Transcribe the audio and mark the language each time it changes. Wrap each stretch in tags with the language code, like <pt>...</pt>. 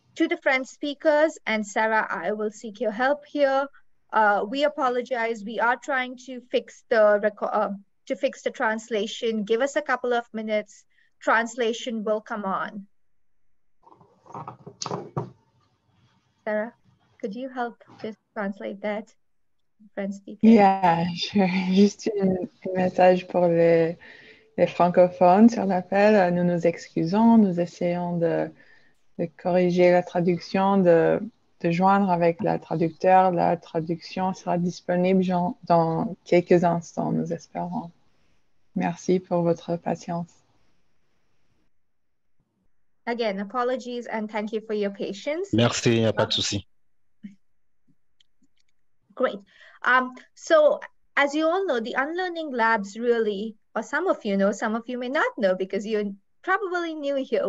<en>To the French speakers and Sarah, I will seek your help here. We apologize. We are trying to fix the to fix the translation. Give us a couple of minutes. Translation will come on. Sarah, could you help just translate that, French speakers?</en> <fr>Yeah, j'ai juste un message pour les francophones sur l'appel. Nous nous excusons, nous essayons de corriger la traduction, de joindre avec le traducteur. La traduction sera disponible dans quelques instants, nous espérons. Merci pour votre patience.</fr> <en>Again, apologies and thank you for your patience.</en> <fr>Merci, il n'y a pas de souci.</fr> <en>Great. So as you all know, the Unlearning Labs really, or some of you know, some of you may not know because you're probably new here.</en>